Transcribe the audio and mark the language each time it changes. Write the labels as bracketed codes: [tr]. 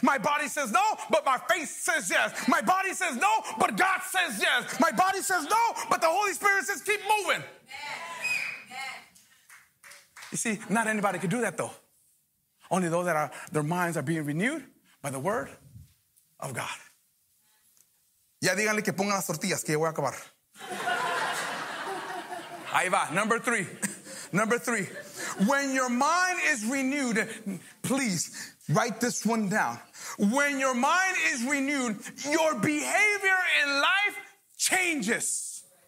[en] My body says no, but my faith says yes. My body says no, but God says yes. My body says no, but the Holy Spirit says keep moving. You see, not anybody could do that, though. Only those that are, their minds are being renewed by the Word of God. [es] Ya díganle que pongan las tortillas, que ya voy a acabar. Ahí va, [en] number three. Number three. When your mind is renewed, please write this one down. When your mind is renewed, your behavior in life changes.